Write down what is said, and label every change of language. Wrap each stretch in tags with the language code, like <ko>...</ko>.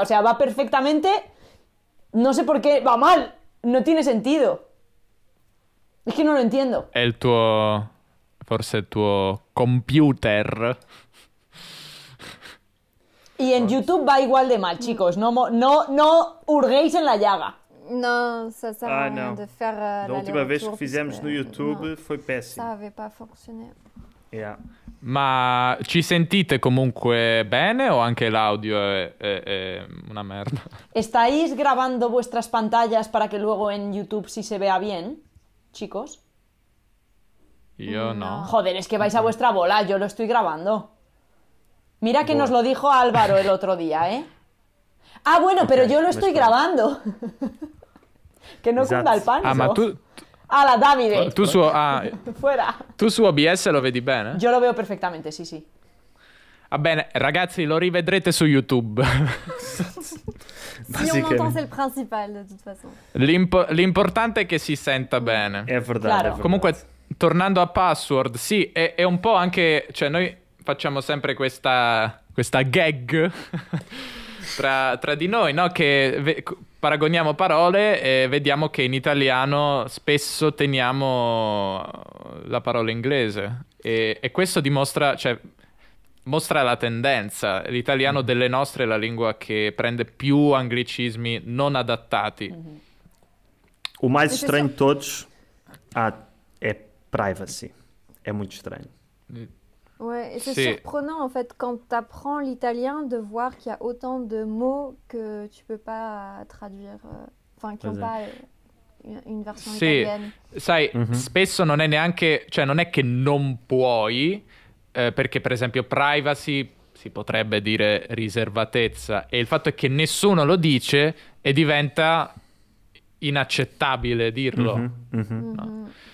<es>O sea, va perfectamente... No sé por qué... ¡Va mal! No tiene sentido. Es que no lo entiendo.</es> <it>El tuo... Forse el tuo computer...</it> <es>Y en YouTube va igual de mal, chicos. No hurguéis en la llaga.</es> <fr>No, ça sert à rien de faire la</fr> <pt>última vez que fizemos no YouTube foi péssimo.</pt> <fr>Ça avait pas fonctionné.</fr> <en>Yeah.</en> <it>Ma ci sentite comunque bene o anche l'audio è una merda?</it> <es>¿Estáis grabando vuestras pantallas para que luego en YouTube sí se vea bien, chicos? Yo no. Joder, es que vais a vuestra bola, yo lo estoy grabando. Mira que nos lo dijo Álvaro el otro día, ¿eh? Ah, bueno, okay, pero yo lo estoy grabando. Que no cunda el panzo.</es> <it>Ah, ma tú...</it> <es>¡Hala, Davide!</es> <it>Tú su...</it> <es>Fuera.</es> <it>Tú su OBS lo vedi bene?</it> <es>Yo lo veo perfectamente, sí, sí.</es> <it>Va bene, ragazzi, lo rivedrete su YouTube.</it> <fr>Si on entend, c'est le principal, de toute façon.</fr> <it>L'importante è che si senta bene.</it> <pt>È verdade, claro. È verdade.</pt> <it>Comunque, tornando a password, sì, è un po' anche... Cioè, noi... Facciamo sempre questa gag tra di noi, no? Che paragoniamo parole e vediamo che in italiano spesso teniamo la parola inglese. E questo dimostra, cioè, mostra la tendenza. L'italiano delle nostre è la lingua che prende più anglicismi non adattati.</it> <pt>O mais estranho</pt> <it>di tutti è privacy. È molto strano.</it> <fr>Ouais, et c'est surprenant en fait quand t'apprends l'italien de voir qu'il y a autant de mots que tu peux pas traduire, enfin qui n'ont pas une version italienne.</fr> <it>Sai, spesso non è neanche, cioè non è che non puoi, perché per esempio privacy si potrebbe dire riservatezza, e il fatto è che nessuno lo dice e diventa inaccettabile dirlo.</it>